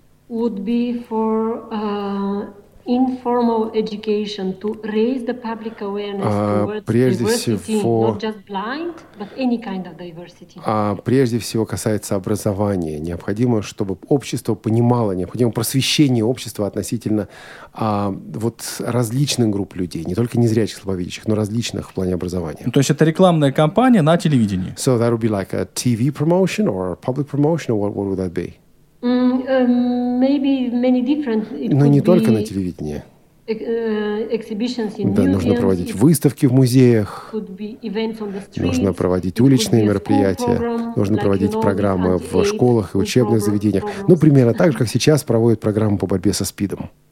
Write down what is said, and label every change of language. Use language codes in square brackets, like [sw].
[en] would be for informal education to raise the public awareness towards diversity, [ru] всего, [en] not just blind, but any kind of diversity. [ru] Прежде всего касается образования. Необходимо, чтобы общество понимало, необходимо просвещение общества относительно вот различных групп людей, не только незрячих, слабовидящих, но различных в плане образования. То есть это рекламная кампания на телевидении? [en] So that would be like a TV promotion or a public promotion, or what would that be? Maybe many different. [ru] Но не только на телевидении. [en] Exhibitions in [ru] Да, нужно проводить выставки в музеях. [en] Could be events on the street. [ru] Нужно проводить уличные мероприятия. Нужно проводить программы в школах и учебных заведениях. Ну, примерно так же, как сейчас проводят программы по борьбе со СПИДом.